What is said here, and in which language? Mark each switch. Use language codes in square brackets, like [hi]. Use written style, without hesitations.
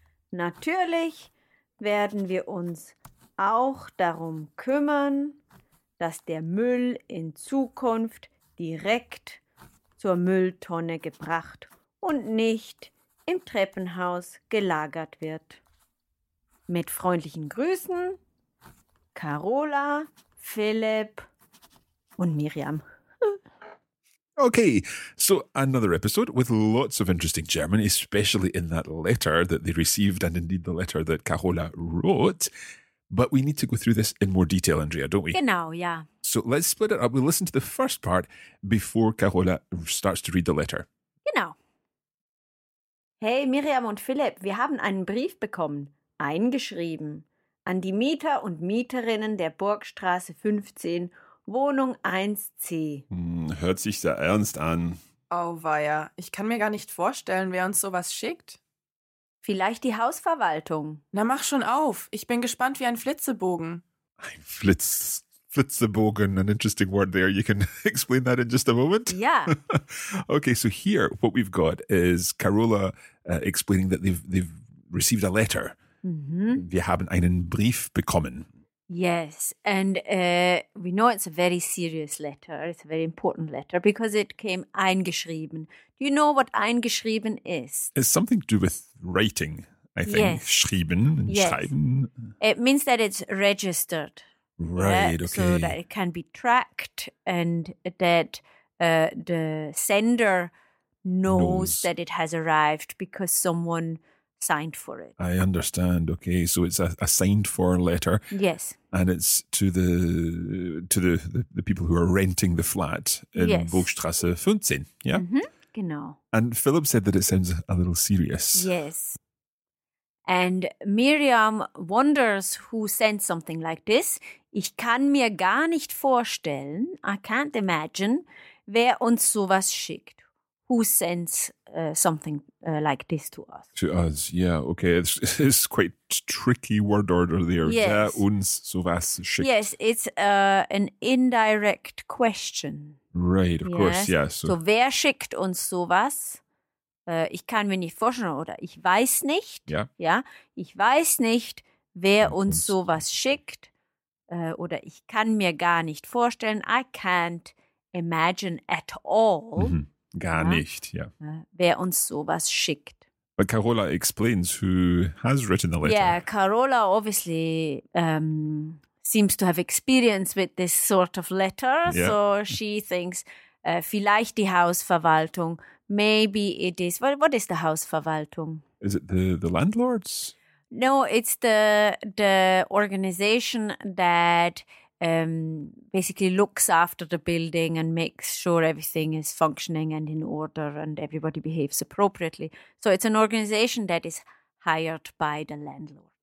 [de] Natürlich werden wir uns auch darum kümmern, dass der Müll in Zukunft direkt zur Mülltonne gebracht und nicht im Treppenhaus gelagert wird. Mit freundlichen Grüßen, Carola, Philipp und Miriam. [en] Okay, so another episode with lots of interesting German, especially in that letter that they received and indeed the letter that Carola wrote. But we need to go through this in more detail, Andrea, don't we? [de] Genau, ja. [en] So let's split it up. We'll listen to the first part before Carola starts to read the letter. [de] Genau. Hey Miriam und Philipp, wir haben einen Brief bekommen, eingeschrieben, an die Mieter und Mieterinnen der Burgstraße 15, Wohnung 1C. Hört sich sehr ernst an. Auweia, ich kann mir gar nicht vorstellen, wer uns sowas schickt. Vielleicht die Hausverwaltung. Na mach schon auf, ich bin gespannt wie ein Flitzebogen. [en] Ein Flitzebogen, an interesting word there. You can explain that in just a moment. Yeah. Okay, so here what we've got is Carola explaining that they've received a letter. Mm-hmm. [de] Wir haben einen Brief bekommen. [en] Yes, and we know it's a very serious letter. It's a very important letter because it came eingeschrieben. Do you know what eingeschrieben is? It's something to do with writing, I think. Yes. [de] Schrieben, [en] yes. [de] Schreiben. [en] It means that it's registered. Right, okay. So that it can be tracked and that the sender knows that it has arrived because someone signed for it. I understand. Okay, so it's a signed for letter. Yes. And it's to the people who are renting the flat in yes. Burgstrasse 15. Yeah? [de] Mm-hmm. Genau. [en] And Philip said that it sounds a little serious. Yes. And Miriam wonders who sent something like this. [de] Ich kann mir gar nicht vorstellen, [en] I can't imagine, [de] wer uns sowas schickt. [en] Who sends something like this to us? To us, yeah, okay. It's quite tricky word order there. Yes. [de] Wer uns sowas schickt. [en] Yes, it's an indirect question. Right, of yes. course, yeah. So [de] wer schickt uns sowas? Ich kann mir nicht vorstellen, oder ich weiß nicht. Ja. Ja, ich weiß nicht, wer uns sowas schickt. Oder ich kann mir gar nicht vorstellen. [en] I can't imagine at all. [de] Mhm. Gar ja. nicht, ja. Wer uns sowas schickt. [en] But Carola explains who has written the letter. Yeah, Carola obviously seems to have experience with this sort of letter. Yeah. So she thinks, [de] vielleicht die Hausverwaltung. [en] Maybe it is. What is the Hausverwaltung? Is it the landlords? No, it's the organization that basically looks after the building and makes sure everything is functioning and in order and everybody behaves appropriately. So it's an organization that is hired by the landlord.